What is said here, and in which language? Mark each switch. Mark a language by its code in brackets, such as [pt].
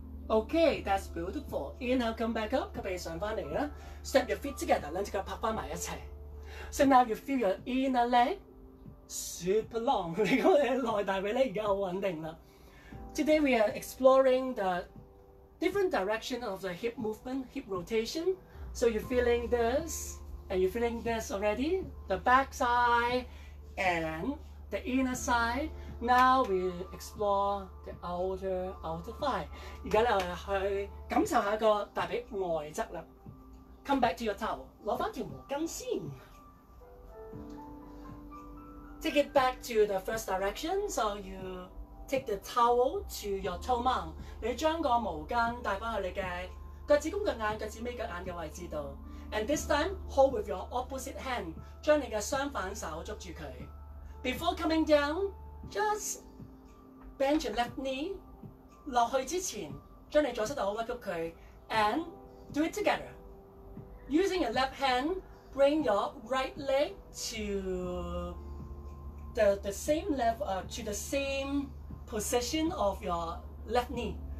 [en] Okay, that's beautiful. Inhale, come back up. [yue] 吸氣上翻嚟啦。 [en] Step your feet together. [yue] 兩隻腳拍翻埋一齊。 [en] So now you feel your inner leg super long. [yue] 你個內大髀咧而家好穩定啦。 [en] Today we are exploring the different direction of the hip movement, hip rotation. So you're feeling this, and you're feeling this already. The back side and the inner side. Now we explore the outer thigh. [yue] 而家咧，我哋去感受一下個大髀外側啦。 [en] Come back to your towel. [yue] 攞翻條毛巾先。 [en] Take it back to the first direction. So you take the towel to your toe mount. [yue] 你將個毛巾帶翻去你嘅腳趾公嘅眼、腳趾尾腳眼嘅位置度。 [en] And this time, hold with your opposite hand. [yue] 將你嘅相反手捉住佢。 [en] Before coming down. Just bend your left knee [yue] 落去之前將你左膝頭屈曲佢 [en] and do it together. Using your left hand, bring your right leg to the same level, to the same position of your left knee.